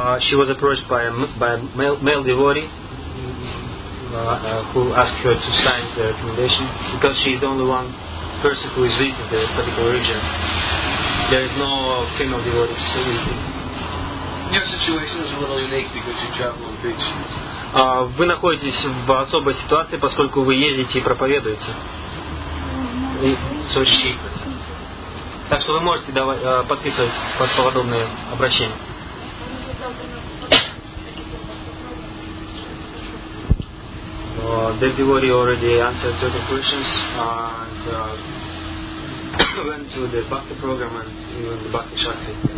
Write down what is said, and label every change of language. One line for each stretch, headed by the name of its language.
English: She was approached by a male devotee who asked her to sign the recommendation because she is the only one person who is visiting the particular region. There is no female devotee. Your situation is a little unique because you travel on beach.
Russian: Вы находитесь в особой ситуации, поскольку вы ездите и проповедуете.
English: So she.
Russian: Так что вы можете подписывать под подобные обращения.
English: The devotee already answered 30 questions and went to the Bhakti program and even the Bhakti Shastri.